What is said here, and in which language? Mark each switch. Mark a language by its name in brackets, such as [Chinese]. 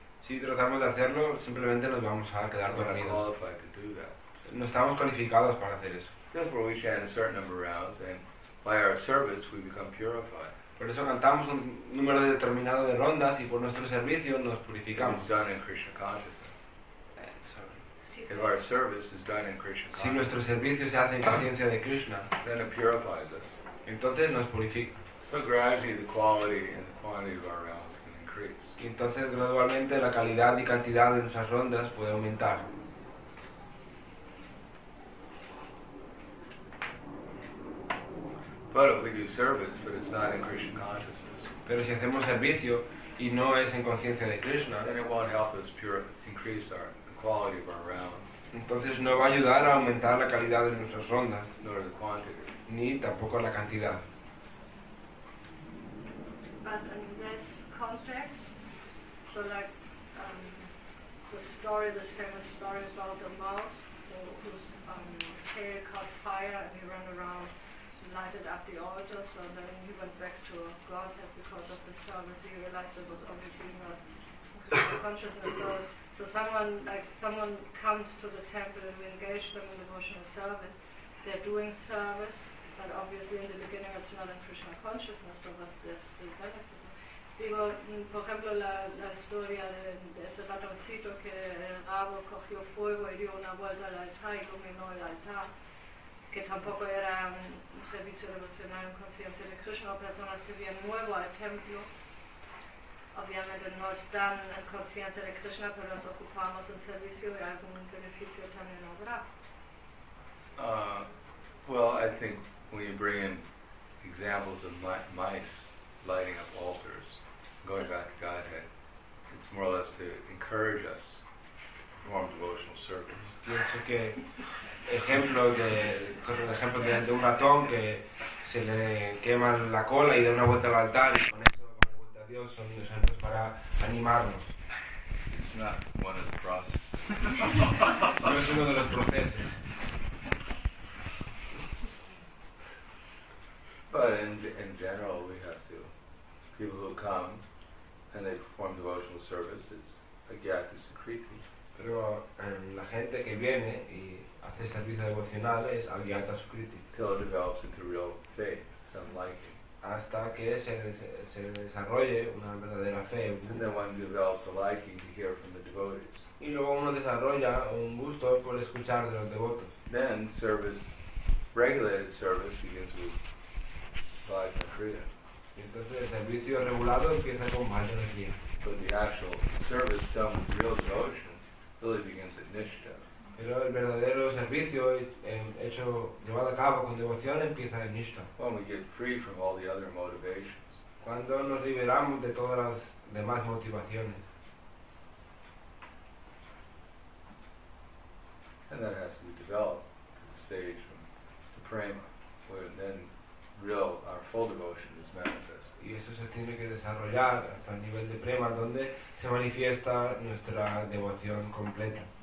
[Spanish] Si tratamos de hacerlo, simplemente nos vamos a quedar dormidos. [English] We're not qualified to do that. [Spanish] No estamos cualificados para hacer eso. [English] Therefore, we chant a certain number of rounds and by our service, we become purified. [Spanish] Por eso cantamos un número determinado de rondas y por nuestro servicio nos purificamos. [English] It's done in Krishna consciousness. If our service is done in Krishna consciousness, [Spanish] si nuestro servicio se hace en conciencia de Krishna, [English] then it purifies us. [Spanish] Entonces nos purifica. [English] So So gradually the quality and the quantity of our rounds can increase. [Spanish] Entonces gradualmente la calidad y cantidad de nuestras rondas puede aumentar. [English] But if we do service, but it's not in Krishna consciousness. [Spanish] Pero si hacemos servicio y no es en conciencia de Krishna, [English] then it won't help us pure increase our the quality of our rounds. [Spanish] Entonces no va a ayudar a aumentar la calidad de nuestras rondas, [English] nor the quantity, [Spanish] ni tampoco la cantidad. [English] But in this context, so like the story, this famous story about the mouse whose tail caught fire and he ran around, lighted up the altar, so then he went back to Godhead because of the service. He realized it was obviously not consciousness. So someone comes to the temple and we engage them in devotional service. They're doing service, but obviously in the beginning it's not in Krishna consciousness, so that there's still benefit. [Spanish] Digo, por ejemplo, la historia de ese ratoncito que el rabo cogió fuego y dio una vuelta al altar y iluminó el altar, que tampoco era un servicio devocional en conciencia de Krishna, o personas que vienen nuevo al templo, obviamente no están en conciencia de Krishna, pero nos ocupamos en servicio y algún beneficio también habrá. [English] Well, I think when you bring in examples of mice lighting up altars, going back to Godhead, it's more or less to encourage us to perform devotional service. [Spanish] Pienso que ejemplo de un ratón que se le quema la cola y da una vuelta al altar y con eso da una vuelta a Dios, son los santos para animarnos. [English] It's not one of the processes. [Spanish] No es uno de los procesos. [English] But in general, we have to, people who come and they perform devotional service, it's a gyati sukriti. [Spanish] Pero la gente que viene y hace servicio devocional es a gyati sukriti. [English] Till it develops into real faith, some liking. [Spanish] Hasta que se desarrolle una verdadera fe. [English] And then one develops a liking to hear from the devotees. [Spanish] Y luego uno desarrolla un gusto por escuchar de los devotos. [English] Then service, regulated service, begins with Vajra-kriya. But the actual service done with real devotion really begins at nishtha. [Spanish] Pero el verdadero servicio hecho, llevado a cabo con devoción, empieza en nishtha. [English] When we get free from all the other motivations. [Spanish] Cuando nos liberamos de todas las demás motivaciones. [English] And that has to be developed to the stage from the prema, where then real, our full devotion is manifest. [Spanish] Y eso se tiene que desarrollar hasta el nivel de prema, donde se manifiesta nuestra devoción completa.